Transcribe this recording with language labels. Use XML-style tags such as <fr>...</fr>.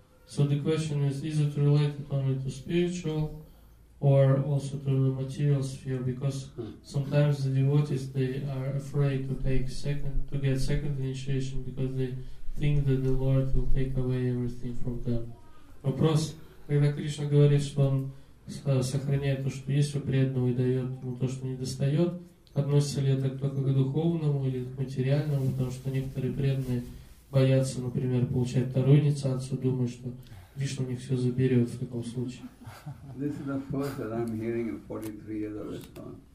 <en>So the question is it related only to spiritual or also to the material sphere? Because sometimes the devotees, they are afraid to take second initiation because they think that the Lord will take away everything from them.</en> <ru>Вопрос, когда Кришна говорит, что он сохраняет то, что есть у преданного и дает ему то, что недостает, относится ли это только к духовному или к материальному, потому что некоторые преданные боятся, например, получать вторую инициацию, думают, что Кришна у них все заберет в таком случае.</ru> <en>This is the first that I'm hearing in 43 years of Vaishnava.</en>